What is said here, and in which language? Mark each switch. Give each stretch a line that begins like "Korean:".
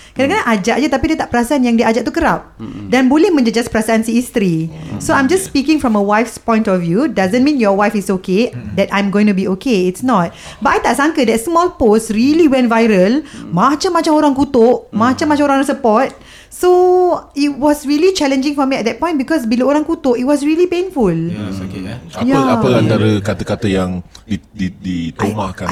Malay: Kadang-kadang ajak je, tapi dia tak perasan yang dia ajak tu kerap dan boleh menjejas perasaan si isteri.
English: So I'm just speaking from a wife's point of view. Doesn't mean your wife is okay that I'm going to be okay. It's not. But I
Malay: tak sangka
English: that small post really went viral.
Malay: Macam-macam orang kutuk, macam-macam orang support.
English: So it was really challenging for me at that point because
Malay: bila orang kutuk,
English: it was really painful.
Malay: Apa antara kata-kata yang ditumahkan?